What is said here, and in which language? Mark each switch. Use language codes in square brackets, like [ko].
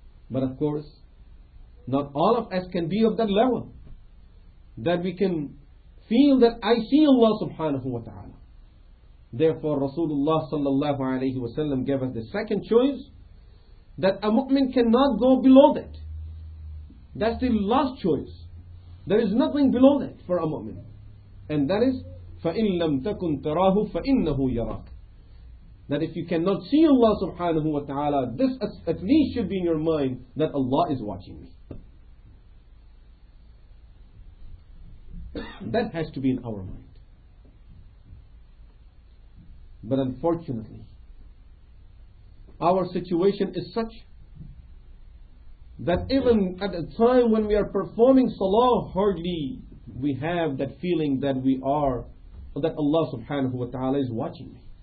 [en] But of course, not all of us can be of that level, that we can feel that I see Allah subhanahu wa ta'ala. Therefore, Rasulullah sallallahu alayhi wa sallam gave us the second choice, that a mu'min cannot go below that. That's the last choice. There is nothing below that for a mu'min. And that is, [ar] فَإِن لَمْ تَكُنْ تَرَاهُ فَإِنَّهُ يَرَاكَ. [en] That if you cannot see Allah subhanahu wa ta'ala, this at least should be in your mind that Allah is watching me. That has to be in our mind. But unfortunately, our situation is such that even at a time when we are performing salah, hardly we have that feeling that we are, or that Allah subhanahu wa ta'ala is watching me.